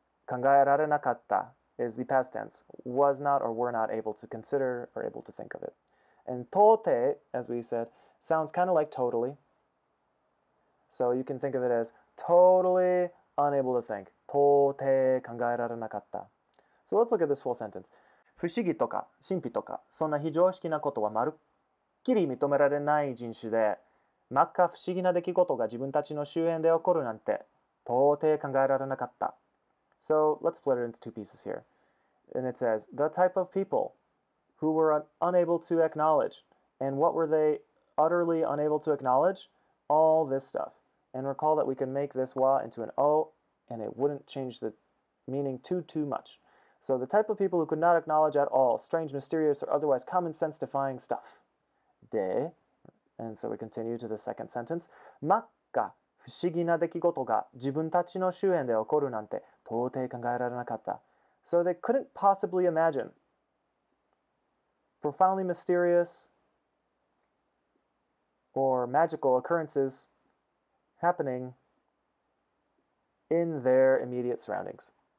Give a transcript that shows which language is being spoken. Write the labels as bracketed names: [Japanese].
[Japanese] Kangae rare nakatta [English] is the past tense. Was not or were not able to consider or able to think of it. And tote, as we said, sounds kind of like totally. So you can think of it as totally unable to think. [Japanese] Tote kangae rare nakatta. [English] So let's look at this full sentence. [Japanese] 不思議とか神秘とかそんな非常識なことはまるっきり認められない人種で、まっか不思議な出来事が自分たちの周辺で起こるなんて、到底考えられなかった。 [English] So, let's split it into two pieces here. And it says, the type of people who were unable to acknowledge, and what were they utterly unable to acknowledge? All this stuff. And recall that we can make this wa into an o, and it wouldn't change the meaning too much. So, the type of people who could not acknowledge at all, strange, mysterious, or otherwise common sense defying stuff. で、And so we continue to the second sentence. [Japanese] まっか不思議な出来事が自分たちの周辺で起こるなんて到底考えられなかった。 [English] So they couldn't possibly imagine. Profoundly mysterious or magical occurrences happening in their immediate surroundings.